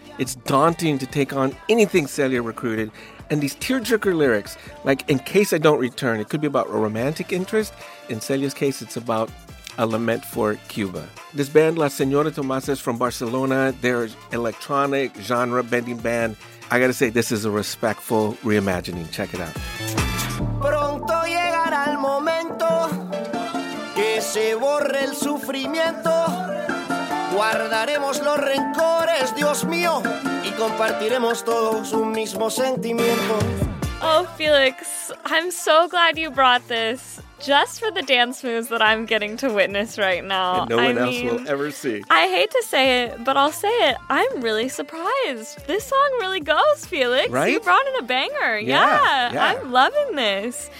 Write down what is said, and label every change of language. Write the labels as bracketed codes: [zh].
[en] It's daunting to take on anything Celia recruited. And these tearjerker lyrics, like, in case I don't return, it could be about a romantic interest. In Celia's case, it's about a lament for Cuba. This band, La Señora Tomasa, is from Barcelona. They're an electronic, genre-bending band. I gotta say, this is a respectful reimagining. Check it out. [es] Pronto llegará el momento que se borre el sufrimiento. Guardaremos los rencores, Dios mío, y compartiremos todos un mismo sentimiento. [en] Oh, Felix, I'm so glad you brought this. Just for the dance moves that I'm getting to witness right now. And no one else will ever see. I hate to say it, but I'll say it. I'm really surprised. This song really goes, Felix. Right? You brought in a banger. Yeah. I'm loving this.